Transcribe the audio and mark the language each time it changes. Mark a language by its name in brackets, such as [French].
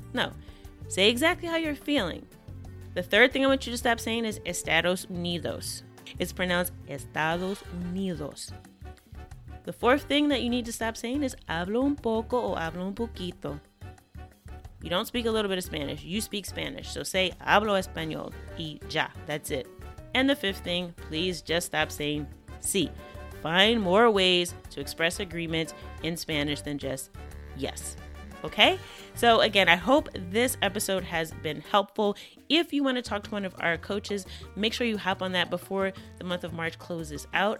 [English] No, say exactly how you're feeling. The 3rd thing I want you to stop saying is Estados Unidos. It's pronounced Estados Unidos. The 4th thing that you need to stop saying is [Spanish] hablo un poco o hablo un poquito. [English] You don't speak a little bit of Spanish. You speak Spanish. So say [Spanish] hablo español y ya. [English] That's it. And the 5th thing, please just stop saying sí. Find more ways to express agreement in Spanish than just yes. Okay? So again, I hope this episode has been helpful. If you want to talk to one of our coaches, make sure you hop on that before the month of March closes out.